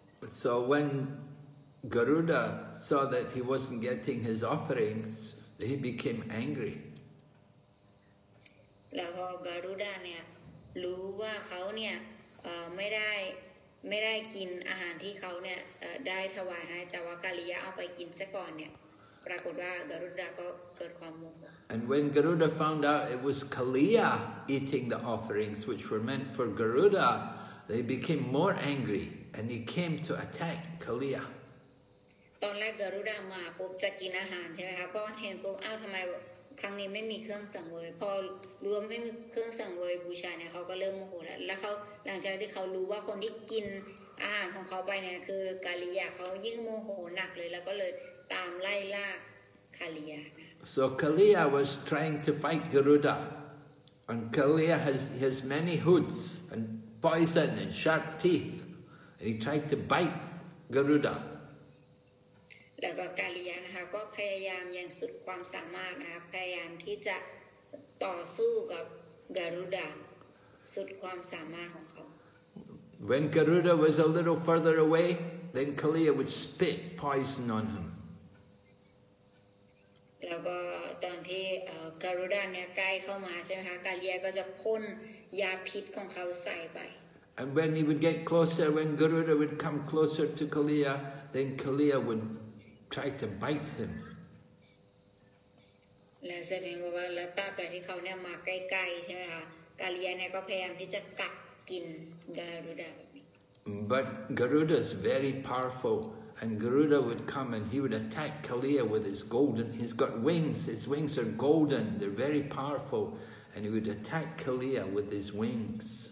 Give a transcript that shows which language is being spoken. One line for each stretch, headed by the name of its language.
English: So when Garuda saw that he wasn't getting his offerings, he became angry.
Thai: แล้วพอ Garuda เนี่ยรู้ว่าเขาเนี่ยไม่ได้กินอาหารที่เขาเนี่ยได้ถวายให้แต่ว่ากาลิยะเอาไปกินซะก่อนเนี่ยปรากฏว่า Garuda ก็เกิดความโมโห
English: And when Garuda found out it was Kaliya eating the offerings which were meant for Garuda. They became more angry, and he came to attack Kaliya.
Thai: ตอนแรกการุดามาปุ๊บจะกินอาหารใช่ไหมคะพอเห็นปุ๊บอ้าวทำไมครั้งนี้ไม่มีเครื่องสังเวยพอรวมไม่มีเครื่องสังเวยบูชาเนี่ยเขาก็เริ่มโมโหแล้วแล้วเขาหลังจากที่เขารู้ว่าคนที่กินอาหารของเขาไปเนี่ยคือกาลิยาเขายิ่งโมโหหนักเลยแล้วก็เลยตามไล่ล่าคาลิยา
English: So Kaliya was trying to fight Garuda, and Kaliya has many hoods and. Poison and sharp teeth, and he tried to bite Garuda.
Thai: แล้วก็กาลิยานะคะก็พยายามอย่างสุดความสามารถนะคะพยายามที่จะต่อสู้กับการุดาสุดความสามารถของเขา
English: When Garuda was a little further away, then Kaliya would spit poison on him.
Thai: แล้วก็ตอนที่การุดาเนี่ยใกล้เข้ามาใช่ไหมคะกาลิยาก็จะพ่นยาพิษของเขาใส่ไป
English: And when he would get closer, when Garuda would come closer to Kaliya, then Kaliya would try to bite him.
Thai: และแสดงว่าแล้วตอนที่เขาเนี่ยมาใกล้ๆใช่ไหมคะกาลิยาเนี่ยก็พยายามที่จะกัดกินการุดา
English: But Garuda is very powerful, and Garuda would come and he would attack Kaliya with his golden. He's got wings. His wings are golden. They're very powerful. And he would attack Kaliya with his wings.